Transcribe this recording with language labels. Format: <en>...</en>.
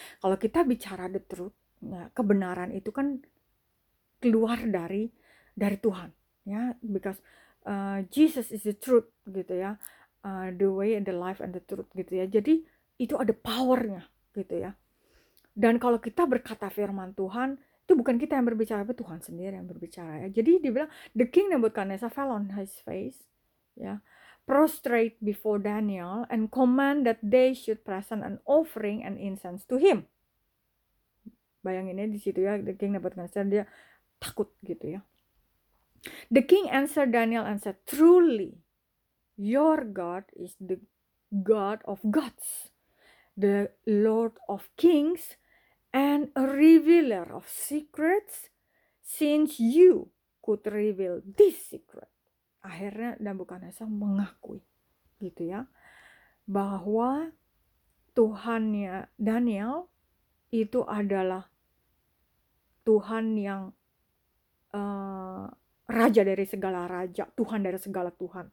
<id>Kalau kita bicara the truth, ya, kebenaran itu kan keluar dari Tuhan, ya.</id> <en>Because Jesus is the truth, gitu ya. The way and the life and the truth, gitu ya.</en> <id>Jadi itu ada powernya, gitu ya. Dan kalau kita berkata firman Tuhan, itu bukan kita yang berbicara, tapi Tuhan sendiri yang berbicara ya. Jadi dibilang</id> <en>the king Nebuchadnezzar fell on his face ya, prostrate before Daniel and command that they should present an offering and incense to him.</en> <id>Bayanginnya di situ ya, the king Nebuchadnezzar dia takut gitu ya.</id> <en>The king answered Daniel and said, truly your God is the God of gods, the Lord of kings, and a revealer of secrets, since you could reveal this secret.</en> <id>Akhirnya Nebuchadnezzar mengakui gitu ya, bahwa Tuhannya Daniel itu adalah Tuhan yang raja dari segala raja, Tuhan dari segala Tuhan.</id>